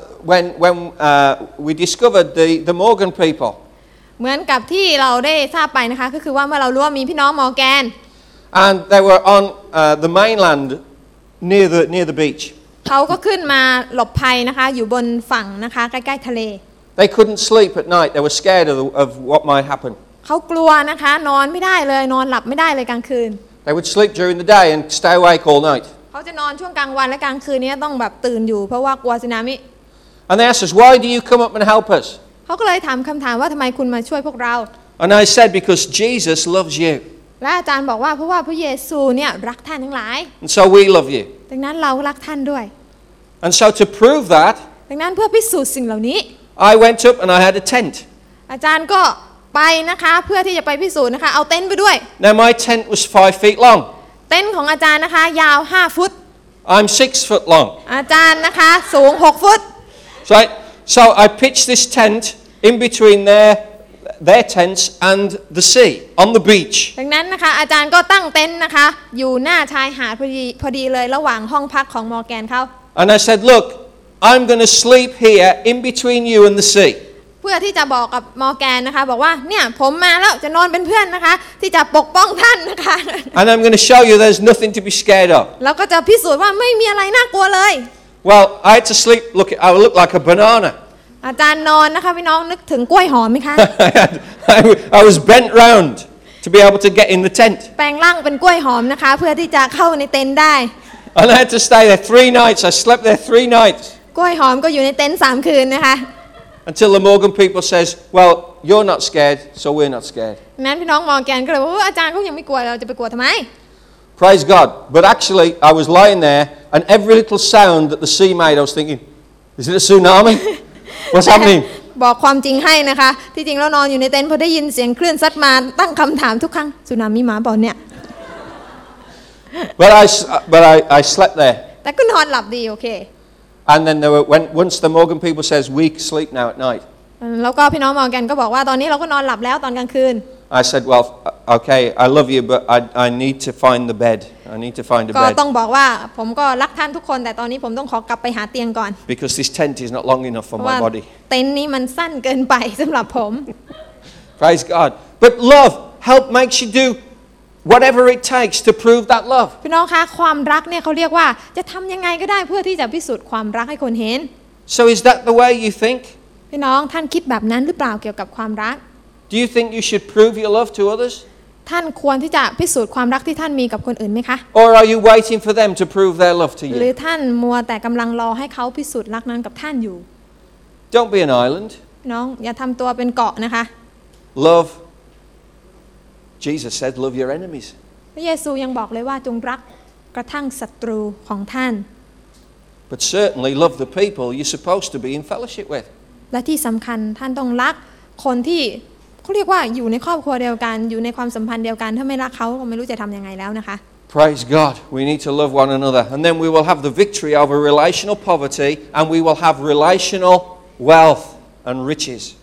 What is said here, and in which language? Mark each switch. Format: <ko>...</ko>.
<en>When we discovered the Morgan people.</en> <th>เหมือนกับที่เราได้ทราบไปนะคะก็คือว่าเมื่อเรารู้ว่ามีพี่น้องมอร์แกน</th> <en>And they were on the mainland near the beach.</en> <th>เขาก็ขึ้นมาหลบภัยนะคะอยู่บนฝั่งนะคะใกล้ๆทะเล</th> <en>They couldn't sleep at night. They were scared of what might happen.</en> <th>เขากลัวนะคะนอนไม่ได้เลยนอนหลับไม่ได้เลยกลางคืน</th> <en>They would sleep during the day and stay awake all night.</en> <th>เขาจะนอนช่วงกลางวันและกลางคืนนี้ต้องแบบตื่นอยู่เพราะว่ากลัวสึนามิ</th> <en>And they asked us, why do you come up and help us?</en> <th>เขาก็เลยถามคำถามว่าทำไมคุณมาช่วยพวกเรา</th> <en>And I said, because Jesus loves you.</en> <th>และอาจารย์บอกว่าเพราะว่าพระเยซูเนี่ยรักท่านทั้งหลาย</th> <en>And so we love you.</en> <th>ดังนั้นเรารักท่านด้วย</th> <en>And so to prove that,</en> <th>ดังนั้นเพื่อพิสูจน์สิ่งเหล่านี้</th> <en>I went up and I had a tent.</en> <th>อาจารย์ก็ไปนะคะเพื่อที่จะไปพิสูจน์นะคะเอาเต็นท์ไปด้วย</th> <en>Now my tent was 5 feet long.</en> <th>เต็นท์ของอาจารย์นะคะยาว5 feet.</th> <en>I'm 6 feet long.</en> <th>อาจารย์นะคะสูง6 feet</th> <en>So I pitched this tent in between their tents and the sea on the beach.</en> <th>ดังนั้นนะคะอาจารย์ก็ตั้งเต็นท์นะคะอยู่หน้าชายหาดพอดีเลยระหว่างห้องพักของมอร์แกนเขา</th> <en>And I said, look, I'm going to sleep here in between you and the sea.</en> <th>เพื่อที่จะบอกกับมอร์แกนนะคะบอกว่าเนี่ยผมมาแล้วจะนอนเป็นเพื่อนนะคะที่จะปกป้องท่านนะคะ</th> <en>And I'm going to show you there's nothing to be scared of.</en> <th>แล้วก็จะพิสูจน์ว่าไม่มีอะไรน่ากลัวเลย</th> <en>Well, I had to sleep. Look, I looked like a banana.</en> <th>อาจารย์นอนนะคะพี่น้องนึกถึงกล้วยหอมไหมคะ</th> <en>I was bent round to be able to get in the tent.</en> <th>แปลงร่างเป็นกล้วยหอมนะคะเพื่อที่จะเข้าในเต็นท์ได้</th> <en>And I had to stay there 3 nights. I slept there 3 nights.</en> <th>กล้วยหอมก็อยู่ในเต็นท์3 คืนนะคะ</th> <en>Until the Morgan people says, "Well, you're not scared, so we're not scared."</en> <th>นั้นพี่น้องมองแกนก็เลยว่าอาจารย์ก็ยังไม่กลัวเราจะไปกลัวทำไม</th> <en>Praise God, but actually I was lying there, and every little sound that the sea made, I was thinking, is it a tsunami? What's happening?</en> <th>บอกความจริงให้นะคะที่จริงเรานอนอยู่ในเต็นท์พอได้ยินเสียงคลื่นซัดมาตั้งคำถามทุกครั้งสึนามิมาบ่อนเนี่ย</th> <en>But I slept there.</en> <th>แต่ก็นอนหลับดีโอเค</th> <en>And then there were, once the Morgan people says we sleep now at night.</en> <th>แล้วก็พี่น้องมอร์แกนก็บอกว่าตอนนี้เราก็นอนหลับแล้วตอนกลางคืน</th> <en>I said, well, okay, I love you, but I need to find the bed. I need to find a bed.</en> <th>ก็ต้องบอกว่าผมก็รักท่านทุกคนแต่ตอนนี้ผมต้องขอกลับไปหาเตียงก่อน</th> <en>Because this tent is not long enough for my body.</en> <th>เต็นท์นี้มันสั้นเกินไปสำหรับผม</th> <en>Praise God. But love help makes you do whatever it takes to prove that love.</en> <th>พี่น้องคะความรักเนี่ยเขาเรียกว่าจะทำยังไงก็ได้เพื่อที่จะพิสูจน์ความรักให้คนเห็น</th> <en>So is that the way you think?</en> <th>พี่น้องท่านคิดแบบนั้นหรือเปล่าเกี่ยวกับความรัก</th> <en>Do you think you should prove your love to others?</en> <th>ท่านควรที่จะพิสูจน์ความรักที่ท่านมีกับคนอื่นไหมคะ</th> <en>Or are you waiting for them to prove their love to you?</en> <th>หรือท่านมัวแต่กำลังรอให้เขาพิสูจน์รักนั้นกับท่านอยู่</th> <en>Don't be an island.</en> <th>น้องอย่าทำตัวเป็นเกาะนะคะ</th> <en>Love. Jesus said, "Love your enemies."</en> <th>พระเยซูยังบอกเลยว่าจงรักกระทั่งศัตรูของท่าน</th> <en>But certainly love the people you're supposed to be in fellowship with.</en> <th>และที่สำคัญท่านต้องรักคนที่เขาเรียกว่าอยู่ในครอบครัวเดียวกันอยู่ในความสัมพันธ์เดียวกันถ้าไม่รักเขาก็ไม่รู้จะทำยังไงแล้วนะคะ</th> <en>Praise God we need to love one another and then we will have the victory over relational poverty and we will have relational wealth and riches</en>